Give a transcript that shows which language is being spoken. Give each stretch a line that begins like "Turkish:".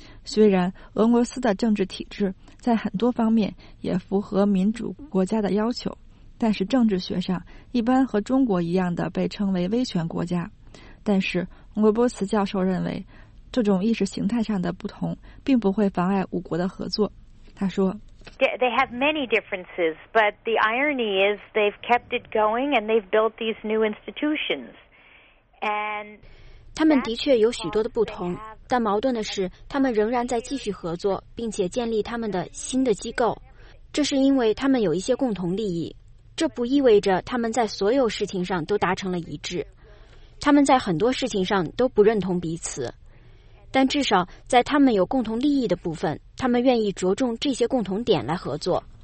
Chinese: 虽然俄罗斯的政治体制在很多方面也符合民主国家的要求，但是政治学上一般和中国一样的被称为威权国家。但是罗伯茨教授认为，这种意识形态上的不同并不会妨碍五国的合作。他说
English: They have many differences, but the irony is they've kept it going and they've built these new institutions. And
Chinese: 他们的确有许多的不同，但矛盾的是他们仍然在继续合作，并且建立他们的新的机构，这是因为他们有一些共同利益。这不意味着他们在所有事情上都达成了一致，他们在很多事情上都不认同彼此，但至少在他们有共同利益的部分，他们愿意着重这些共同点来合作。